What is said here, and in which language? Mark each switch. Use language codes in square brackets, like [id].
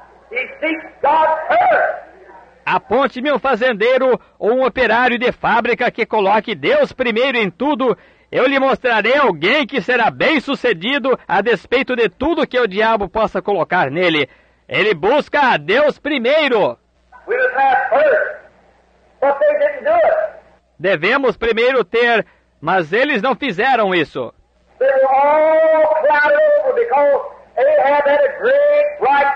[en] He seeks God first. [pt] Aponte-me um fazendeiro ou um operário de fábrica que coloque Deus primeiro em tudo. Eu lhe mostrarei alguém que será bem sucedido a despeito de tudo que o diabo possa colocar nele. Ele busca a Deus primeiro. [en] We must have first, but they didn't do it. [pt] Devemos primeiro ter. Mas eles não fizeram isso. [en] They were all clouded over because Ahab had a great bride.